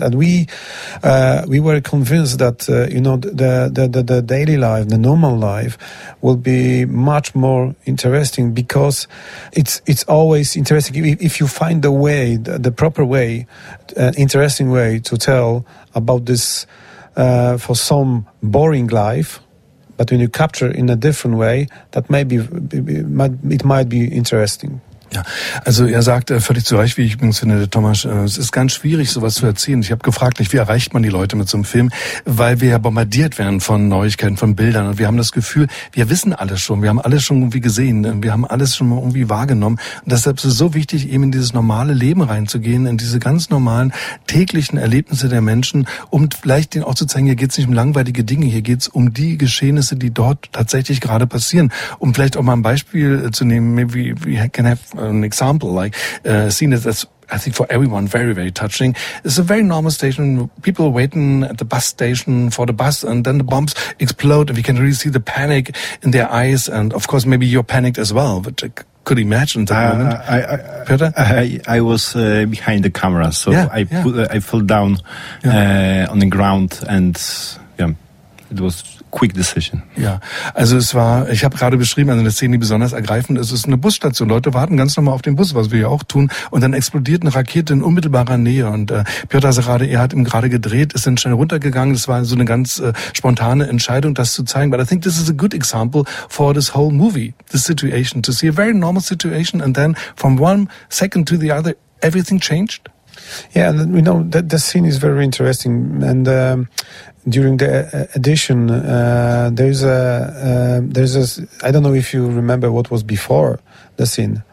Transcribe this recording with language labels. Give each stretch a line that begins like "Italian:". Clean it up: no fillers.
English: And we were convinced that the daily life, the normal life, will be much more interesting, because it's always interesting if you find the way, the proper way, interesting way to tell about this for some boring life. But when you capture in a different way, that maybe it might be interesting.
German: Ja, also er sagt völlig zu Recht, wie ich übrigens finde, der Thomas, es ist ganz schwierig, sowas zu erzählen. Ich habe gefragt, wie erreicht man die Leute mit so einem Film, weil wir ja bombardiert werden von Neuigkeiten, von Bildern, und wir haben das Gefühl, wir wissen alles schon, wir haben alles schon irgendwie gesehen, wir haben alles schon mal irgendwie wahrgenommen, und deshalb ist es so wichtig, eben in dieses normale Leben reinzugehen, in diese ganz normalen täglichen Erlebnisse der Menschen, um vielleicht denen auch zu zeigen, hier geht's nicht um langweilige Dinge, hier geht's um die Geschehnisse, die dort tatsächlich gerade passieren. Um vielleicht auch mal ein Beispiel zu nehmen,
English: maybe we can have an example, like a scene that's, I think, for everyone very, very touching. It's a very normal station. People are waiting at the bus station for the bus, and then the bombs explode, and we can really see the panic in their eyes. And of course, maybe you're panicked as well, but could imagine that moment. I was behind the camera, so yeah, I fell down on the ground, and it was quick decision.
German: Ja, also es war, ich habe gerade beschrieben, also eine Szene, die besonders ergreifend ist, es ist eine Busstation. Leute warten ganz normal auf den Bus, was wir ja auch tun, und dann explodiert eine Rakete in unmittelbarer Nähe, und Piotr Serrade, er hat ihm gerade gedreht, ist dann schnell runtergegangen. Das war so eine ganz spontane Entscheidung, das zu zeigen.
English: But I think this is a good example for this whole movie, this situation, to see a very normal situation, and then from one second to the other, everything changed. Yeah, and we know that the scene is very interesting, and during the edition, I don't know if you remember what was before the scene.